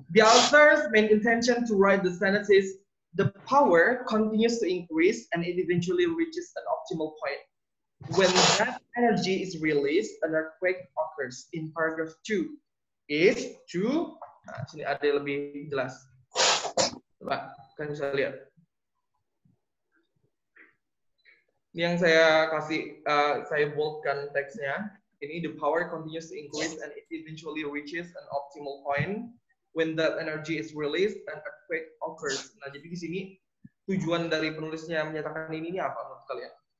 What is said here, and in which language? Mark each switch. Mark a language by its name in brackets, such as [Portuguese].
[English] The author's main intention to write the sentence is the power continues to increase and it eventually reaches an optimal point. When that energy is released, an earthquake occurs in paragraph 2. Is true. [Indonesian] Nah, sini ada lebih jelas. Coba, kalian bisa lihat. Ini yang saya kasih, saya boldkan teksnya. [English] Ini the power continues to increase and it eventually reaches an optimal point. When that energy is released, an earthquake occurs. [Indonesian] Nah, jadi di sini tujuan dari penulisnya menyatakan ini apa menurut kalian?